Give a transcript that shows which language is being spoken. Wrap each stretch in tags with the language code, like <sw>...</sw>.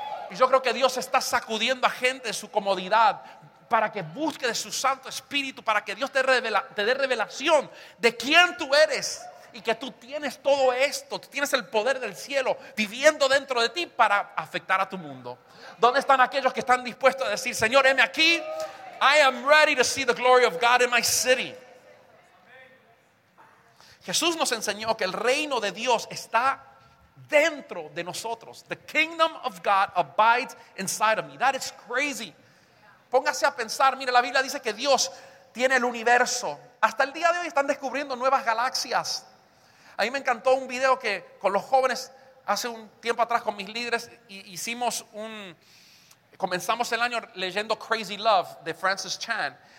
<es>Y yo creo que Dios está sacudiendo a gente de su comodidad para que busque de su Santo Espíritu, para que Dios te dé revelación de quién tú eres y que tú tienes todo esto, tú tienes el poder del cielo viviendo dentro de ti para afectar a tu mundo. ¿Dónde están aquellos que están dispuestos a decir, Señor, heme aquí,</es> <en>I am ready to see the glory of God in my city?</en> <es>Jesús nos enseñó que el reino de Dios está dentro de nosotros.</es> <en>The kingdom of God abides inside of me. That is crazy.</en> <es>Póngase a pensar. Mire, la Biblia dice que Dios tiene el universo. Hasta el día de hoy están descubriendo nuevas galaxias. A mí me encantó un video que con los jóvenes hace un tiempo atrás con mis líderes hicimos un... Comenzamos el año leyendo Crazy Love de Francis Chan.</es>